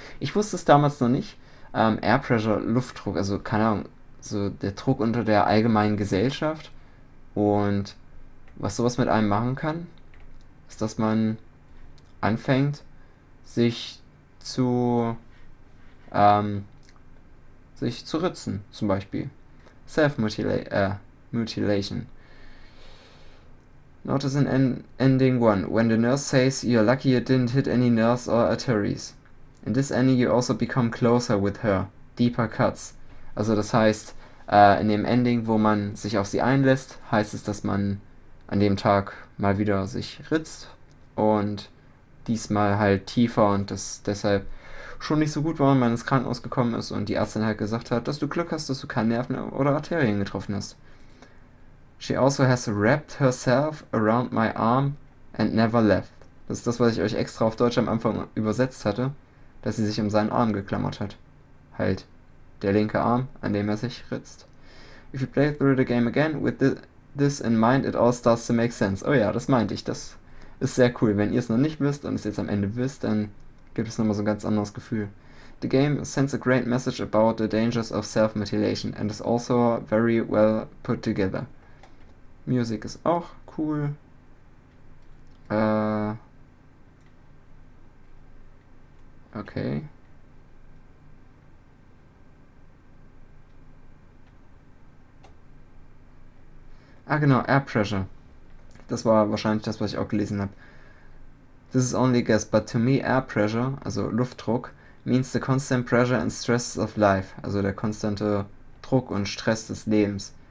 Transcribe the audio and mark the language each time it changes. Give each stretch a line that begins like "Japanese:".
German: Ich wusste es damals noch nicht. Air Pressure, Luftdruck, also keine Ahnung, so der Druck unter der allgemeinen Gesellschaft und was sowas mit einem machen kann, ist, dass man anfängt, sich zu ritzen, zum Beispiel.
English: Self-mutilation. Notice in ending 1, when the nurse says you're lucky you didn't hit any nerves or arteries. In this ending you also become closer with her, deeper cuts.
German: Also das heißt, in dem Ending, wo man sich auf sie einlässt, heißt es, dass man an dem Tag mal wieder sich ritzt und diesmal halt tiefer und das deshalb schon nicht so gut war, weil man ins Krankenhaus gekommen ist und die Ärztin halt gesagt hat, dass du Glück hast, dass du keine Nerven oder Arterien getroffen hast.
English: She also has wrapped herself around my arm and never left.
German: Das ist das, was ich euch extra auf Deutsch am Anfang übersetzt hatte, dass sie sich um seinen Arm geklammert hat. Halt, der linke Arm, an dem er sich ritzt.
English: If you play through the game again with this in mind, it all starts to make sense.
German: Oh ja, das meinte ich, das ist sehr cool. Wenn ihr es noch nicht wisst und es jetzt am Ende wisst, dann gibt es nochmal so ein ganz anderes Gefühl.
English: The game sends a great message about the dangers of self-mutilation and is also very well put together.
German: Music ist auch cool. Okay. Ah genau, Air Pressure. Das war wahrscheinlich das, was ich auch gelesen habe.
English: This is only a guess, but to me Air Pressure,
German: also Luftdruck,
English: means the constant pressure and stress of life.
German: Also der konstante Druck und Stress des Lebens.